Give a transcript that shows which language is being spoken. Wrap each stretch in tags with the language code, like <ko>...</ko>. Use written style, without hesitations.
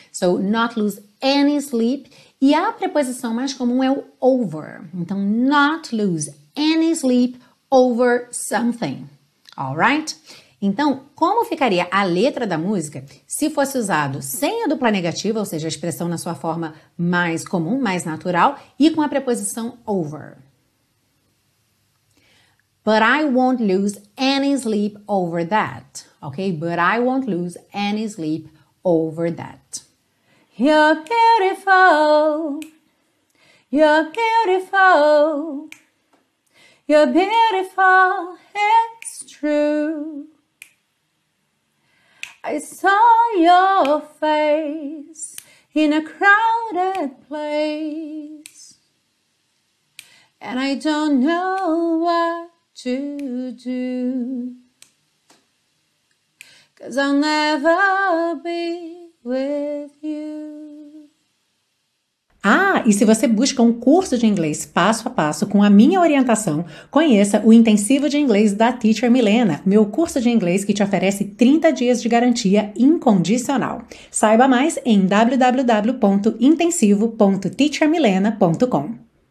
<en>So, not lose any sleep,</en> <pt>e a preposição mais comum é o</pt> <en>over, então not lose any sleep over something, alright?</en> <pt>Então, como ficaria a letra da música se fosse usado sem a dupla negativa, ou seja, a expressão na sua forma mais comum, mais natural, e com a preposição over?</pt> <en>But I won't lose any sleep over that, ok? But I won't lose any sleep over that. You're beautiful. You're beautiful. You're beautiful, it's true. I saw your face in a crowded place, and I don't know what to do, 'cause I'll never be with you.</en> <pt>Ah, e se você busca um curso de inglês passo a passo com a minha orientação, conheça o Intensivo de Inglês da Teacher Milena, meu curso de inglês que te oferece 30 dias de garantia incondicional. Saiba mais em www.intensivo.teachermilena.com.</pt>